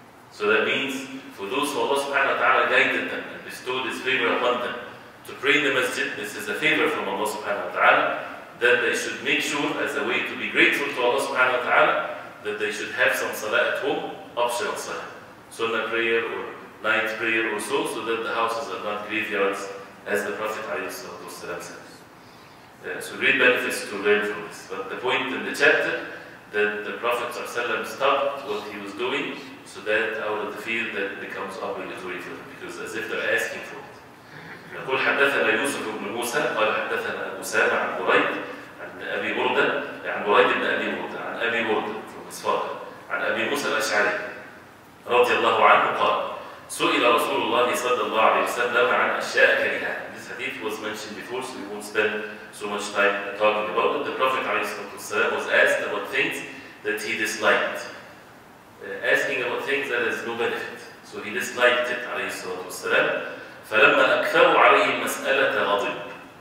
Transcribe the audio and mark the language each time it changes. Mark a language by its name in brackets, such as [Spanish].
[English] So that means for those who Allah subhanahu wa ta'ala guided them and bestowed His favor upon them to pray in the masjid, this is a favor from Allah subhanahu wa ta'ala, that they should make sure as a way to be grateful to Allah subhanahu wa ta'ala that they should have some salah at home, optional salah, sunnah prayer or night prayer or so that the houses are not graveyards as the Prophet alayhi salam said. So great benefits to learn from this. But the point in the chapter that the Prophet ﷺ stopped what he was doing so that out of the fear that becomes obligatory for them, because as if they're asking for it. [Arabic] يقول حدثنا يوسف بن موسى قال حدثنا أسامة عن بريد عن أبي بردة عن بريد بن أبي بردة عن أبي بردة from his father عن أبي موسى الأشعري رضي الله عنه قال سئل رسول الله صلى الله عليه وسلم عن أشياء كريهة. [English] This hadith was mentioned before, so we won't spend so much time talking about it. The Prophet ﷺ was asked about things that he disliked. Asking about things that has no benefit. [Arabic] So he disliked it, ﷺ. فَلَمَّا أَكْثَرُوا عَلَيْهِ مَسْأَلَةَ غَضِبٍ.